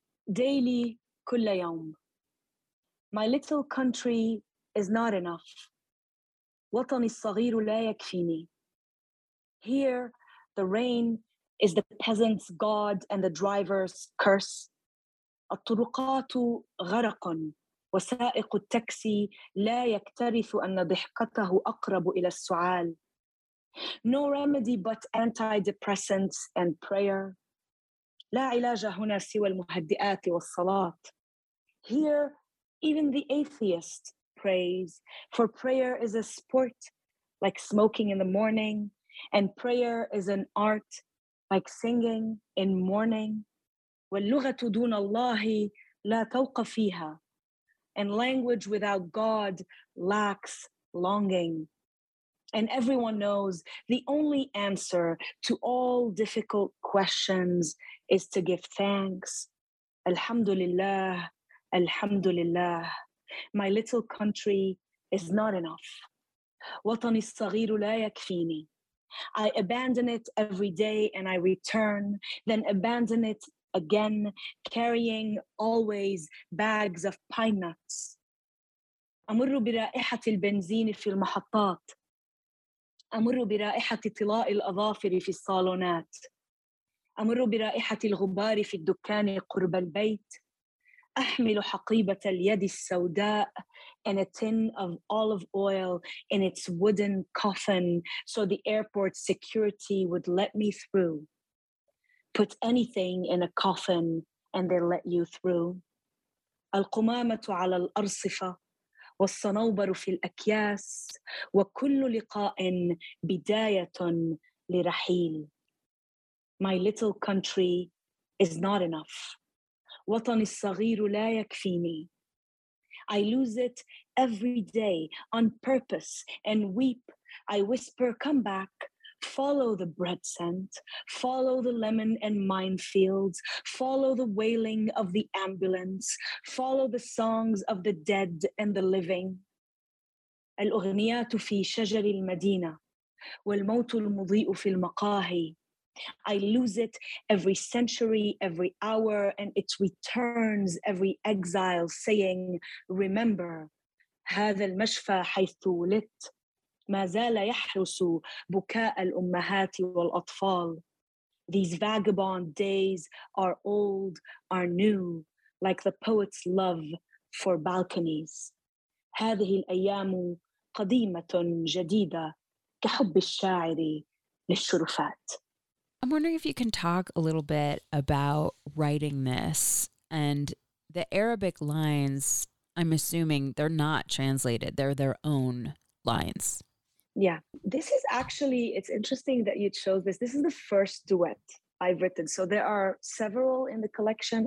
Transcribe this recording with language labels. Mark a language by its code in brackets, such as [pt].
[en] Daily kulayom. My little country is not enough. [ar] Watani sagiru la yakfini. [en] Here, the rain is the peasant's god and the driver's curse. [ar] الطرقات غرق وسائق التاكسي لا يكترث أن ضحكته أقرب إلى السعال. [en] No remedy but antidepressants and prayer. [ar] لا علاج هنا سوى المهدئات والصلاة. [en] Here, even the atheist prays, for prayer is a sport, like smoking in the morning. And prayer is an art, like singing in mourning. [ar] وَاللُّغَةُ دُونَ اللَّهِ لَا تَوْقَ فِيهَا. [en] And language without God lacks longing. And everyone knows the only answer to all difficult questions is to give thanks. Alhamdulillah, alhamdulillah. My little country is not enough. [ar] وَطَنِ الصَّغِيرُ لَا يَكْفِينِي. [en] I abandon it every day and I return, then abandon it again, carrying always bags of pine nuts. [ar] أمر برائحة البنزين في المحطات. أمر برائحة طلاء الأظافر في الصالونات. أمر برائحة الغبار في الدكان قرب البيت. أحمل حقيبة اليد السوداء [en] and a tin of olive oil in its wooden coffin so the airport security would let me through. Put anything in a coffin and they'll let you through. [ar] القمامة على الأرصفة والصنوبر في الأكياس وكل لقاء بداية لرحيل. [en] My little country is not enough. [ar] وطني الصغير لا يكفيني. [en] I lose it every day on purpose and weep. I whisper, come back, follow the bread scent, follow the lemon and minefields, follow the wailing of the ambulance, follow the songs of the dead and the living. [ar] الأغنيات في شجر المدينة والموت المضيء في المقاهي. [en] I lose it every century, every hour, and it returns every exile, saying, remember, [ar] هذا المشفى حيث ولدت ما زال يحرس بكاء الأمهات والأطفال. [en] These vagabond days are old, are new, like the poet's love for balconies. [ar] هذه الأيام قديمة جديدة كحب الشاعر للشرفات. [en] I'm wondering if you can talk a little bit about writing this and the Arabic lines. I'm assuming they're not translated. They're their own lines. Yeah, this is actually, it's interesting that you chose this. This is the first duet I've written. So there are several in the collection.